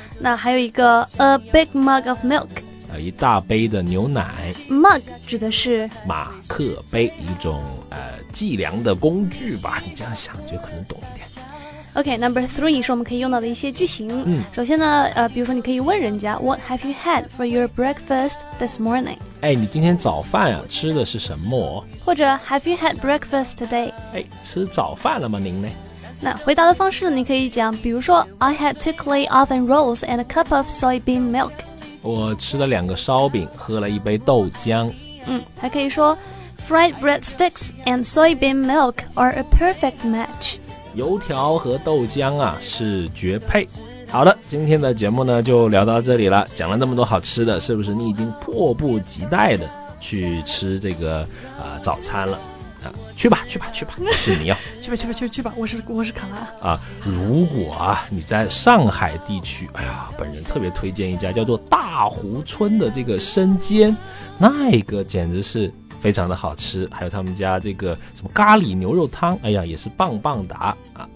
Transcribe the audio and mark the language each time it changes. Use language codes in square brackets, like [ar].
[zh] 那还有一个 [en] A big mug of milk， [zh] 一大杯的牛奶。 Mug 指的是马克杯，一种计量的工具吧，你这样想就可能懂一点。 [en] OK， number three [zh] 是我们可以用到的一些句型。首先呢，比如说你可以问人家 [en] What have you had for your breakfast this morning？ [zh] 你今天早饭啊吃的是什么？ [en] 或者 Have you had breakfast today？ [zh] 吃早饭了吗您呢？那回答的方式你可以讲，比如说 [en] I had two clay oven rolls and a cup of soybean milk。 [zh] 我吃了两个烧饼，喝了一杯豆浆。还可以说 [en] Fried bread sticks and soybean milk are a perfect match。 [zh] 油条和豆浆啊是绝配。好的，今天的节目呢就聊到这里了，讲了那么多好吃的，是不是你已经迫不及待的去吃这个早餐了啊？去吧去吧去吧，是你要去吧去吧去吧去吧，我是卡拉啊。如果啊你在上海地区，本人特别推荐一家叫做大湖村的这个生煎，那个简直是非常的好吃，还有他们家这个什么咖喱牛肉汤，也是棒棒哒啊！